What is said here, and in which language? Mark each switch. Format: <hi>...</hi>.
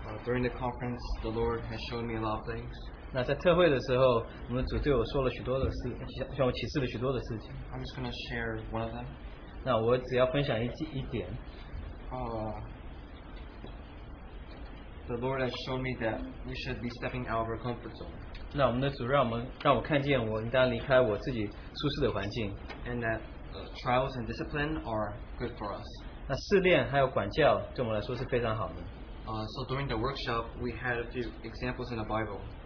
<en>During the conference, the Lord has shown me a lot of things.</en> <zh>那在特会的时候，我们主对我说了许多的事，向我启示了许多的事情。</zh> <en>I'm just going to share one of them.</en> <zh>那我只要分享一点。</zh> <en>The Lord has shown me that we should be stepping out of our comfort zone.</en> <zh>那我们的主让我看见我应当离开我自己舒适的环境。</zh> <en>And that trials and discipline are good for us.</en> <zh>那试炼还有管教对我们来说是非常好的。</zh> <en>So during the workshop, we had a few examples in the Bible.</en>